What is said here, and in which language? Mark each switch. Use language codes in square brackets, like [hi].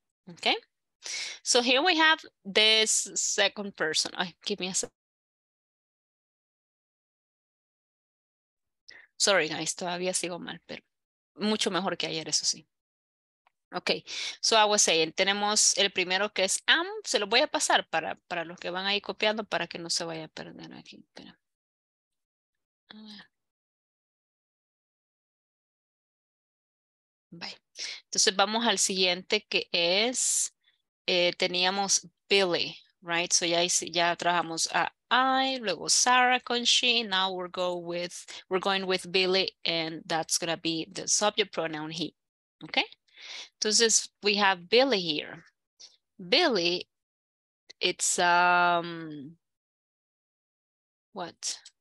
[en] Okay, so here we have this second person. Ay, give me a second. Sorry, guys, [es] todavía sigo mal, pero mucho mejor que ayer, eso sí. [en] Okay, so I was saying, [es] tenemos el primero que es [en] am. [es] Se lo voy a pasar para los que van ahí copiando para que no se vaya a perder aquí. Pero... Bye. Entonces vamos al siguiente que es, teníamos Billy, right? So ya trabajamos a I, luego Sarah con she. [en] Now we're going with Billy, and that's gonna be the subject pronoun he. Okay. Entonces we have Billy here. Billy, it's what?